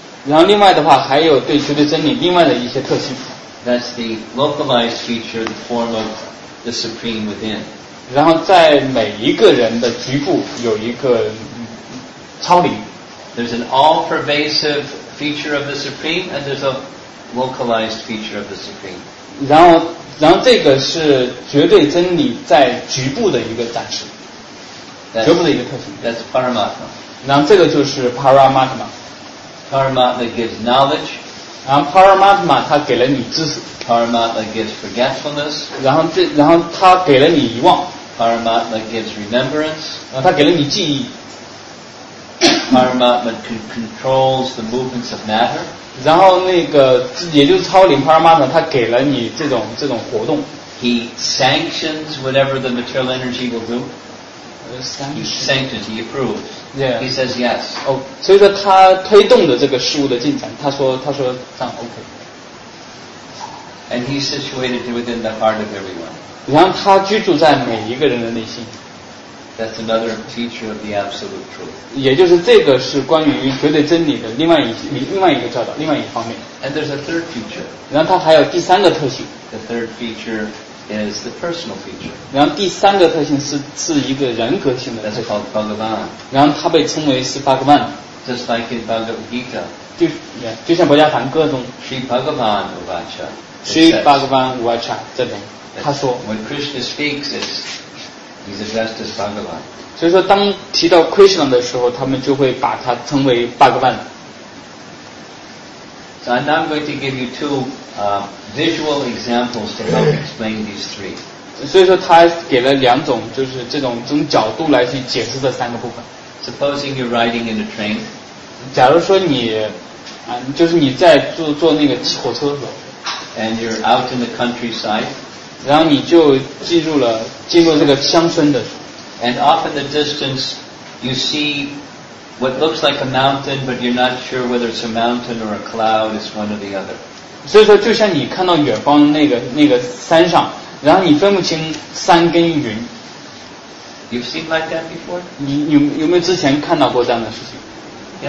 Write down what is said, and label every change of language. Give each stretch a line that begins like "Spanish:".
Chinese: 然后另外的话还有对绝对真理另外的一些特性。
English: That's the localized feature, the form of the supreme within。
Chinese: 然后在每一个人的局部有一个超灵。
English: There's an all-pervasive feature of the supreme, and there's a localized feature of the supreme。
Chinese: 然后这个是绝对真理在局部的一个展示，
English: that's,
Chinese: 局部的一个特性。
English: That's Paramatma。
Chinese: 然后这个就是 Paramatma。
English: Paramatma gives knowledge。
Chinese: 然后 Paramatma 它给了你知识。
English: Paramatma gives forgetfulness。
Chinese: 然后它给了你遗忘。
English: Paramatma gives remembrance。
Chinese: 然后它给了你记忆。
English: Paramatma controls the movements of matter。
Chinese: 然后那个也就是超灵 Paramatma 它给了你这种活动。
English: He sanctions whatever the material energy will do。 He sanctions, he approves。 Yeah. He says yes.
Chinese: Oh, 所以说他推动的这个事物的进展，他说这样 OK。
English: And he's situated within the heart of everyone.
Chinese: 然后他居住在每一个人的内心。
English: That's another feature of the absolute truth.
Chinese: 也就是这个是关于绝对真理的另外一个教导，另外一方面。
English: And there's a third feature.
Chinese: 然后他还有第三个特性。
English: The third feature is the personal feature.
Chinese: 然后第三个特性是一个人格性的。
English: That's called Bhagavan.
Chinese: 然后它被称为是 Bhagavan.
English: Just like in Bhagavad Gita.
Chinese: 就像博迦梵歌中。
Sanskrit: Sri Bhagavan Uvacha. Sri Bhagavan Uvacha
Chinese: 这种，他说。
English: When Krishna speaks, he's addressed as Bhagavan.
Chinese: 所以说，当提到 Krishna 的时候，他们就会把它称为 Bhagavan.
English: So I'm now going to give you two. Visual examples to help explain these three.
Chinese: 所以说他给了两种，就是这种角度来去解释这三个部分。
English: Supposing you're riding in a train.
Chinese: 假如说你，就是你在坐那个火车的时候。
English: And you're out in the countryside.
Chinese: 然后你就进入这个乡村的时候。
English: And off in the distance, you see what looks like a mountain, but you're not sure whether it's a mountain or a cloud. It's one or the other.
Chinese: 所以说就像你看到远方那个山上，然后你分不清山跟云。
English: You've seen like that before?
Chinese: 你 有没有之前看到过这样的事情？